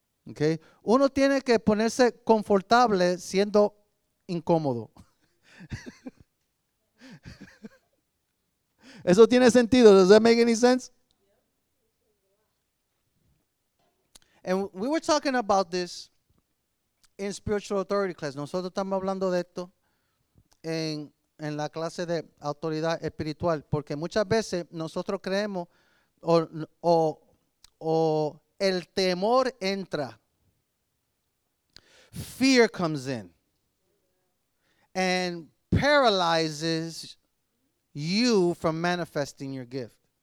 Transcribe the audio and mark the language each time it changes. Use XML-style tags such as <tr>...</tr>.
<es>Okay? Uno tiene que ponerse confortable siendo incómodo. Eso tiene sentido.</es> <en>Does that make any sense? And we were talking about this in spiritual authority class.</en> <es>Nosotros estamos hablando de esto en la clase de autoridad espiritual. Porque muchas veces nosotros creemos o el temor entra.</es> <en>Fear comes in and paralyzes you from manifesting your gift.</en>